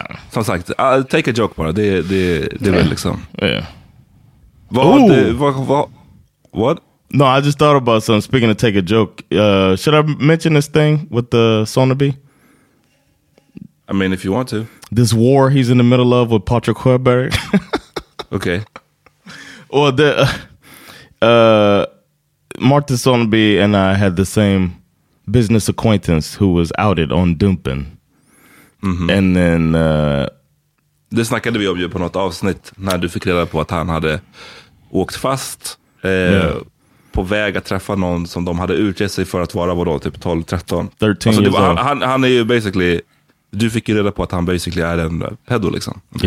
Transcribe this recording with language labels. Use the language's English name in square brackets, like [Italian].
[Swedish] Som sagt, [English] take a joke [Swedish] bara. Det är väl liksom. [English] Yeah. [Swedish] Vad [English] What? No, I just thought about something. Speaking of take a joke, should I mention this thing with the Sonabi? I mean, if you want to. This war he's in the middle of with Patrick Hoiberg. Okay. Well, the Martha Sonabi and I had the same business acquaintance who was outed on Dumpen. Mm-hmm. And then... [Swedish] det snackade vi om ju på något avsnitt när du fick reda på att han hade åkt fast på väg att träffa någon som de hade utgett sig för att vara, vadå, typ 12-13. 13 alltså, var, han är ju basically... Du fick ju reda på att han basically är en pedo, liksom.